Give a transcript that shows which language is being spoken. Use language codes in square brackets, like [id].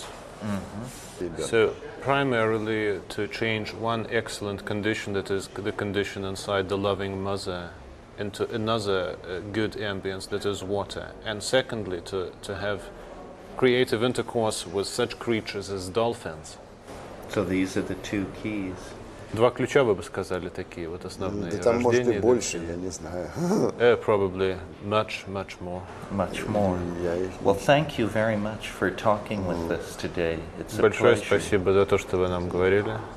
[en] Mm-hmm. So primarily to change one excellent condition, that is the condition inside the loving mother, into another good ambience, that is water. And secondly, to have creative intercourse with such creatures as dolphins. So these are the two keys. [ru] Два ключа, вы бы сказали, такие вот основные. Да там, рождения, может, и больше, я не знаю. [en] Probably much, much more. Much more. Well, thank you very much for talking with us today. It's a [ru] большое [en] pleasure. [ru] Спасибо за то, что вы нам говорили.